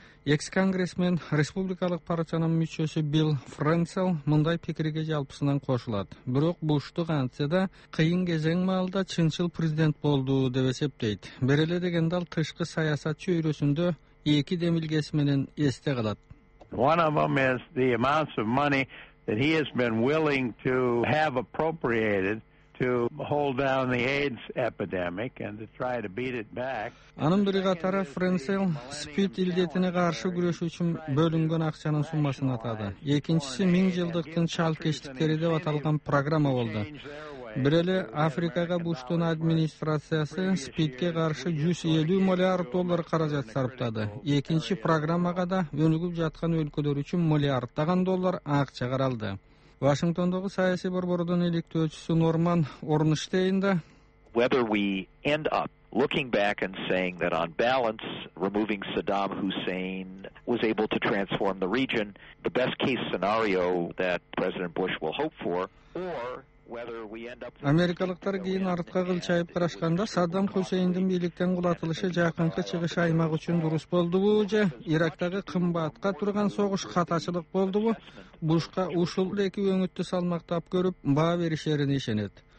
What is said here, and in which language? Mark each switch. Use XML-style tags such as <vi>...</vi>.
<ky>Экс-конгрессмен, республикалык партиянын мүчөсү Билл Фрэнсел мындай пикирге жалпысынан кошулат. Бирок Бушту кантсе да кыйын кезең маалда чынчыл президент болду деп эсептейт. Береле дегенде ал тышкы саясат чөйрөсүндө эки демилгеси менен эсте калат.</ky> <en>One of them is the amounts of money that he has been willing to have appropriated to hold down the AIDS epidemic and to try to beat it back.</en> <ky>Анын бири катары Фрэнсел СПИД илдетине каршы күрөш үчүн бөлүнгөн акчанын суммасын атады. Экинчиси 1000 жылдыктын чалкештиктери деп аталган программа болду. Бир эле Африкага Буштун администрациясы СПИДге каршы $150 млрд каражат сарптады. Экинчи программага да өнүгүп жаткан өлкөлөр үчүн миллиарддаган доллар акча каралды. Вашингтондогу саясий борбордун иликтөөчүсү Норман Орнштейн да</ky> <en>Whether we end up looking back and saying that on balance removing Saddam Hussein was able to transform the region, the best case scenario that President Bush will hope for or</en> <ky>Америкалыктар кийин артка кылчайып карашканда Саддам Хусейндин бийликтен кулатылышы жакынкы чыгыш аймак үчүн дурус болдубу же Ирактагы кымбатка турган согуш катачылык болдубу? Бушка ушул эки өңүттү салмактап көрүп баа беришерине ишенет.</ky>